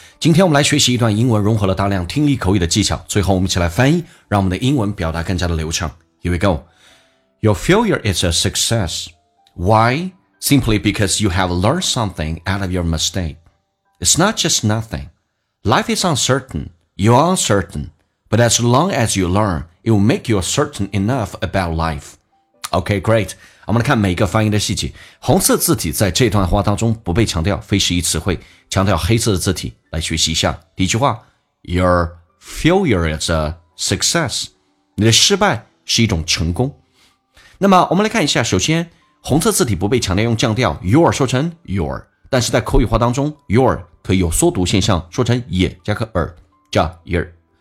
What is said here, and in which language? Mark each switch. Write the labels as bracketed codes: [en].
[zh] 今天我们来学习一段英文，融合了大量听力口语的技巧，最后我们一起来翻译，让我们的英文表达更加的流畅。 [en] Here we go. Your failure is a success. Why? Simply because you have learned something out of your mistake. It's not just nothing. Life is uncertain. You are uncertain. But as long as you learn, it will make you certain enough about life. Okay, great. [zh] 我们来看每一个发音的细节。红色字体在这段话当中不被强调，非是一词汇，强调黑色的字体。来学习一下第一句话， [en] Your failure is a success， [zh] 你的失败是一种成功。那么我们来看一下，首先红色字体不被强调，用降调 your 说成 your， 但是在口语化当中 your 可以有缩读现象，说成也加个耳叫 your。